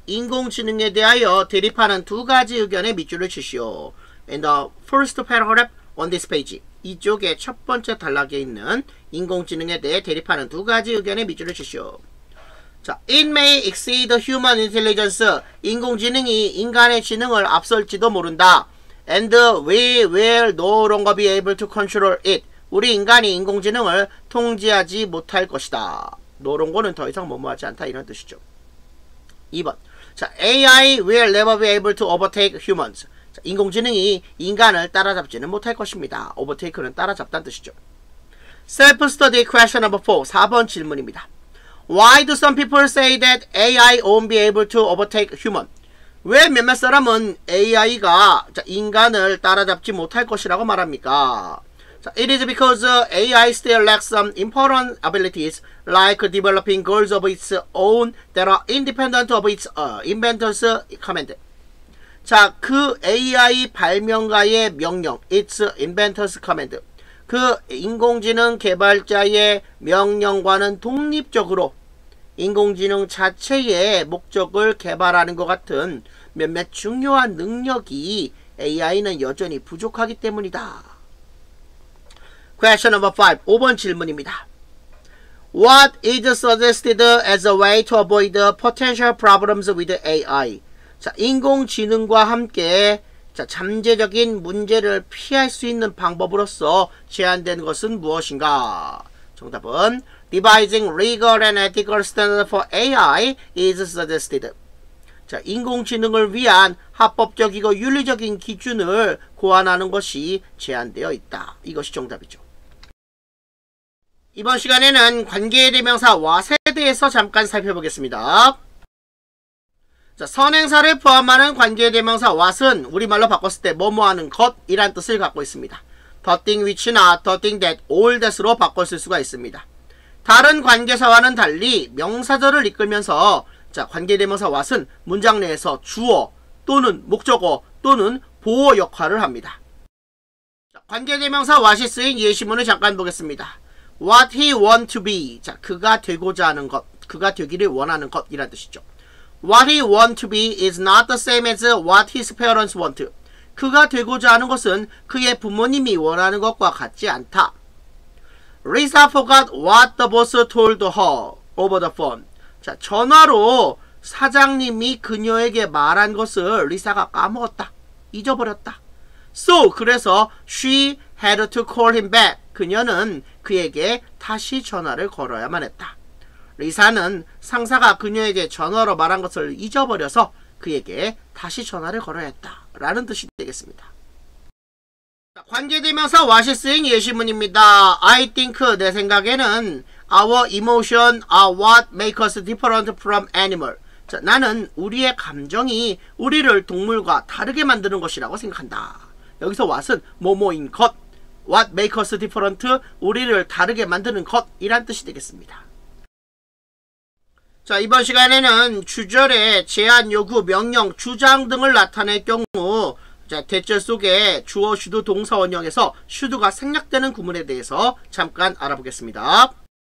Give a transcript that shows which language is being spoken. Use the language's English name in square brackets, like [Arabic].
[Korean] 인공지능에 대하여 대립하는 두 가지 의견에 밑줄을 치시오. [English] In the first paragraph on this page. [Korean] 이쪽에 첫 번째 단락에 있는 인공지능에 대해 대립하는 두 가지 의견에 밑줄을 치시오. [English] 자, it may exceed human intelligence. [Korean] 인공지능이 인간의 지능을 앞설지도 모른다. [English] And we will no longer be able to control it. [Korean] 우리 인간이 인공지능을 통제하지 못할 것이다. 노런 거는 더 이상 뭐뭐하지 않다 이런 뜻이죠. [English] 2번. 자, AI will never be able to overtake humans. [Korean] 자, 인공지능이 인간을 따라잡지는 못할 것입니다. [English] overtake는 [Korean] 따라잡다는 뜻이죠. [English] Self-study question number 4. [Korean] 4번 질문입니다. [English] Why do some people say that AI won't be able to overtake human? [Korean] 왜 몇몇 사람은 AI가 인간을 따라잡지 못할 것이라고 말합니까? [English] It is because AI still lacks some important abilities like developing goals of its own that are independent of its inventor's command. [Korean] 자, 그 AI 발명가의 명령, [English] its inventor's command. [Korean] 그 인공지능 개발자의 명령과는 독립적으로 인공지능 자체의 목적을 개발하는 것 같은 몇몇 중요한 능력이 AI는 여전히 부족하기 때문이다. [English] Question number 5. [Korean] 5번 질문입니다. [English] What is suggested as a way to avoid potential problems with AI? [Korean] 자, 인공지능과 함께 자, 잠재적인 문제를 피할 수 있는 방법으로서 제안된 것은 무엇인가? 정답은 [English] Devising legal and ethical standards for AI is suggested. [Korean] 자, 인공지능을 위한 합법적이고 윤리적인 기준을 고안하는 것이 제안되어 있다. 이것이 정답이죠. 이번 시간에는 관계대명사 what에 대해서 잠깐 살펴보겠습니다. 자, 선행사를 포함하는 관계대명사 what은 우리말로 바꿨을 때 뭐뭐하는 것이란 뜻을 갖고 있습니다. [English] The thing which나 the thing that, all that으로 [Korean] 바꿨을 수가 있습니다. 다른 관계사와는 달리 명사절을 이끌면서 자, 관계대명사 what은 문장 내에서 주어 또는 목적어 또는 보어 역할을 합니다. 자, 관계대명사 what이 쓰인 예시문을 잠깐 보겠습니다. [English] What he want to be. [Korean] 자, 그가 되고자 하는 것, 그가 되기를 원하는 것이란 뜻이죠. [English] What he want to be is not the same as what his parents want. [Korean] 그가 되고자 하는 것은 그의 부모님이 원하는 것과 같지 않다. [English] Lisa forgot what the boss told her over the phone. [Korean] 자, 전화로 사장님이 그녀에게 말한 것을 리사가 까먹었다. 잊어버렸다. [English] So, [Korean] 그래서 she had to call him back. 그녀는 그에게 다시 전화를 걸어야만 했다. 리사는 상사가 그녀에게 전화로 말한 것을 잊어버려서 그에게 다시 전화를 걸어야 했다. 라는 뜻이 되겠습니다. 관계대명사 what이 쓰인 예시문입니다. [English] I think, [Korean] 내 생각에는 [English] our emotions are what make us different from animals. [Korean] 자, 나는 우리의 감정이 우리를 동물과 다르게 만드는 것이라고 생각한다. 여기서 what은 뭐뭐인 것, [English] what make us different, [Korean] 우리를 다르게 만드는 것이란 뜻이 되겠습니다. 자, 이번 시간에는 주절에 제안, 요구, 명령, 주장 등을 나타낼 경우 자, 대절 속에 주어, 슈드, 동사 원형에서 슈드가 생략되는 구문에 대해서 잠깐 알아보겠습니다.